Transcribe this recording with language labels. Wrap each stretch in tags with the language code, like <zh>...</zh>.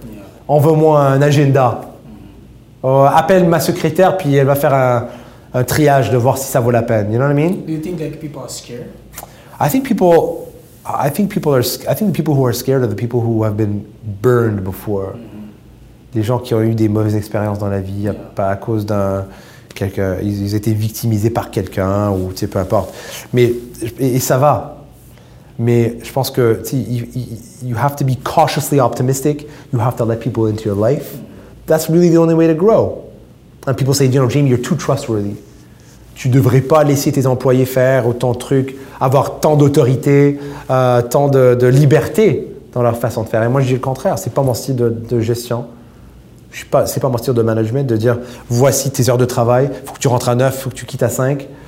<fr>Yeah. Envoie-moi un agenda. Mm-hmm. Appelle ma secrétaire, puis elle va faire un triage de voir si ça vaut la peine.</fr> <en>You know what I mean? Do you think like people are scared? I think people I think the people who are scared are the people who have been burned before.</en> <fr>Des gens qui ont eu des mauvaises expériences dans la vie, pas à cause d'un quelqu'un, ils étaient victimisés par quelqu'un ou tu sais peu importe. Mais et ça va. Mais je pense que tu sais,</fr> <en>you have to be cautiously optimistic. You have to let people into your life. That's really the only way to grow. And people say, you know, Jamie, you're too trustworthy.</en> <fr>Tu devrais pas laisser tes employés faire autant de trucs, avoir tant d'autorité, tant de liberté dans leur façon de faire. Et moi, je dis le contraire. C'est pas mon style de gestion. Je suis pas, c'est pas mon style de management de dire, voici tes heures de travail, faut que tu rentres à 9, faut que tu quittes à 5.</fr>